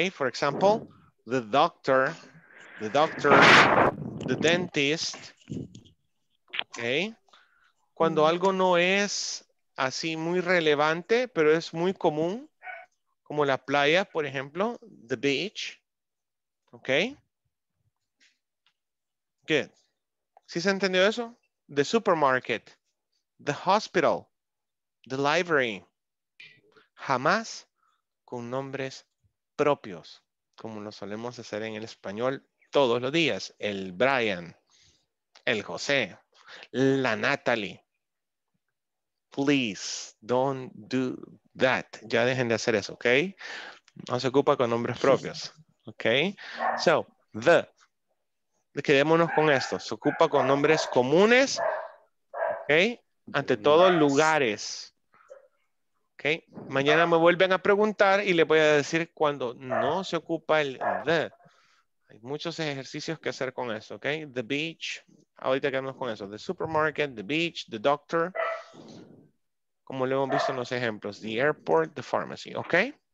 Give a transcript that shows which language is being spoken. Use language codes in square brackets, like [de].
[en] For example, the doctor, the dentist, ¿ok? [es] Cuando algo no es así muy relevante, pero es muy común, como la playa, por ejemplo, [en] the beach, [es] ¿ok? Good. ¿Sí se entendió eso? [en] The supermarket, the hospital, the library. [es] Jamás con nombres propios, como lo solemos hacer en el español todos los días. El Brian, el José, la Natalie. [en] Please, don't do that. [es] Ya dejen de hacer eso, ¿ok? No se ocupa con nombres propios, ¿ok? So, the. Quedémonos con esto. Se ocupa con nombres comunes, ¿ok? Ante todo, lugares. Okay. Mañana me vuelven a preguntar y les voy a decir cuando no se ocupa el the. Hay muchos ejercicios que hacer con eso, okay? [en] The beach, [es] ahorita quedamos con eso. [en] The supermarket, the beach, the doctor. [es] Como lo hemos visto en los ejemplos. [en] The airport, the pharmacy, okay?